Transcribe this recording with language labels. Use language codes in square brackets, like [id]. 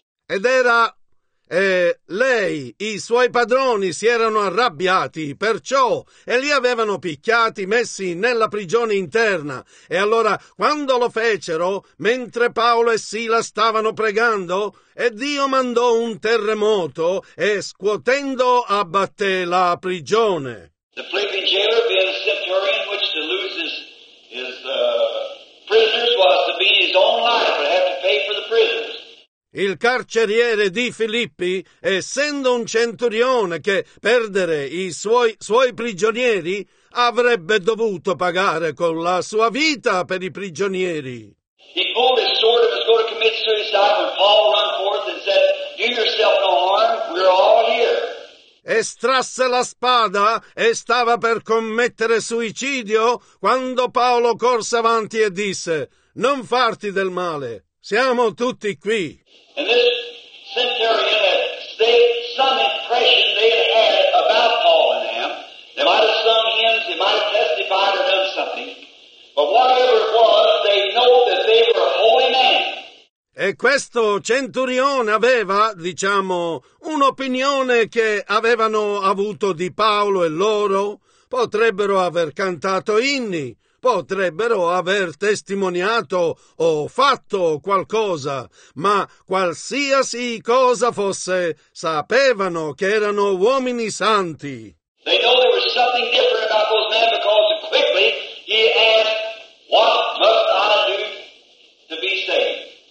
[it] Ed era lei, i suoi padroni si erano arrabbiati, perciò, e li avevano picchiati, messi nella prigione interna. E allora, quando lo fecero, mentre Paolo e Sila stavano pregando, e Dio mandò un terremoto, e scuotendo abbatté la prigione. [en] The prison jailer being a centurion, which to lose his prisoners was to be his own life, but have to pay for the prisoners. [it] Il carceriere di Filippi, essendo un centurione che perdere i suoi prigionieri, avrebbe dovuto pagare con la sua vita per i prigionieri. [en] He pulled his sword and was going to commit suicide when Paul ran forth and said, "Do yourself no harm, we're all here." [it] Estrasse la spada e stava per commettere suicidio quando Paolo corse avanti e disse, "Non farti del male, siamo tutti qui." [en] And this centurion had stayed some impression they had had about Paul and them. They might have sung hymns, they might have testified or done something. But whatever it was, they know that they were holy men. [it] E questo centurione aveva, diciamo, un'opinione che avevano avuto di Paolo e loro. Potrebbero aver cantato inni, potrebbero aver testimoniato o fatto qualcosa, ma qualsiasi cosa fosse, sapevano che erano uomini santi. [en] They know there was something different about those men because quickly he asked, "What must I do to be saved?"